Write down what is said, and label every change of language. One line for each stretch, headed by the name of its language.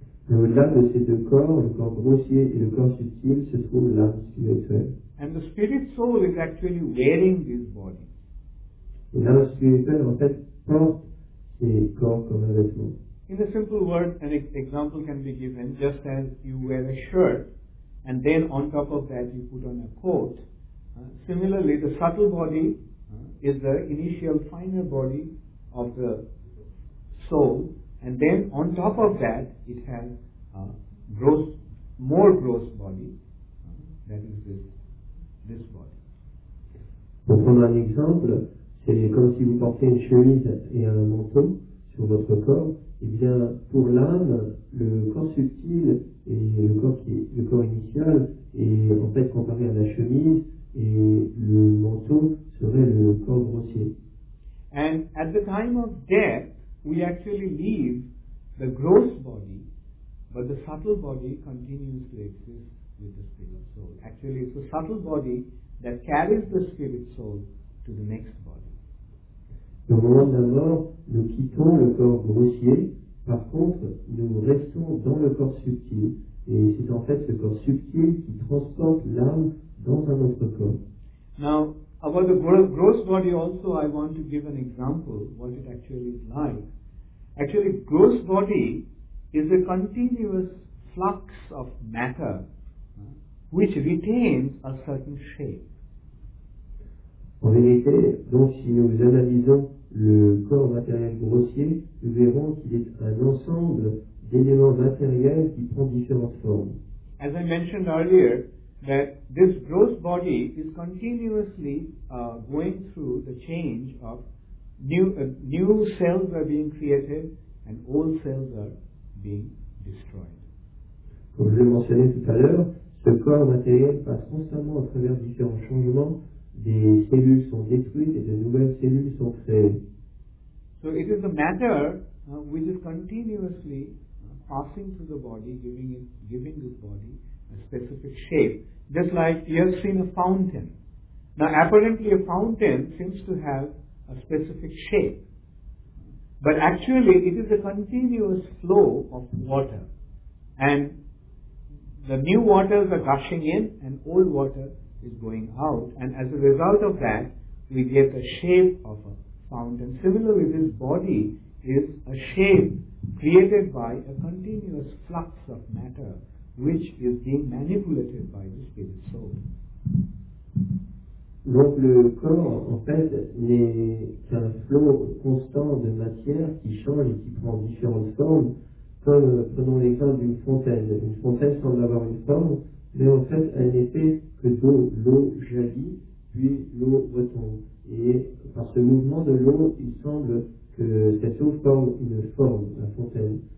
French: Au-delà de ces deux corps, le corps grossier et le corps subtil, se trouve l'âme spirituelle.
English: And the spirit soul is actually wearing these bodies.
French: Et l'âme spirituelle, en fait, porte ces corps comme un vêtement.
English: In a simple word, an example can be given, just as you wear a shirt, and then on top of that you put on a coat. Similarly, the subtle body is the initial, finer body of the soul, and then on top of that it has a gross, more gross body, that is this body.
French: Pour prendre un exemple, c'est comme si vous portez une chemise et un manteau sur votre corps. Et bien pour l'âme, le corps subtil et le corps initial est en fait comparé à la chemise, et le manteau serait le corps grossier.
English: And at the time of death, we actually leave the gross body, but the subtle body continues to exist with the spirit soul. Actually, it's the subtle body that carries the spirit soul to the next body.
French: Au moment de la mort, nous quittons le corps grossier. Par contre, nous restons dans le corps subtil. Et c'est en fait ce corps subtil qui transporte l'âme dans un autre corps.
English: Now, about the gross body also, I want to give an example of what it actually is like. Actually, gross body is a continuous flux of matter which retains a certain shape.
French: En vérité, donc si nous analysons le corps matériel grossier, nous verrons qu'il est un ensemble d'éléments matériels qui prend différentes formes.
English: As I mentioned earlier, that this gross body is continuously going through the change of new cells are being created and old cells are being destroyed.
French: Comme je l'ai mentionné tout à l'heure, ce corps matériel passe constamment à travers différents changements. Des cellules sont détruites et de nouvelles cellules sont créées.
English: So it is the matter which is continuously passing through the body, giving this body a specific shape. Just like you have seen a fountain, Now, apparently a fountain seems to have a specific shape, but actually it is a continuous flow of water, and the new waters are gushing in and old water is going out, and as a result of that we get the shape of a fountain. Similarly, this body is a shape created by a continuous flux of matter which is being manipulated by the spirit soul.
French: Donc le corps, en fait, n'est qu'un flot constant de matière qui change et qui prend différentes formes, comme, prenons l'exemple d'une fontaine. Une fontaine semble avoir une forme, mais en fait, elle n'est fait que d'eau. L'eau jaillit, puis l'eau retombe. Et par ce mouvement de l'eau, il semble que cette eau forme une forme, la fontaine.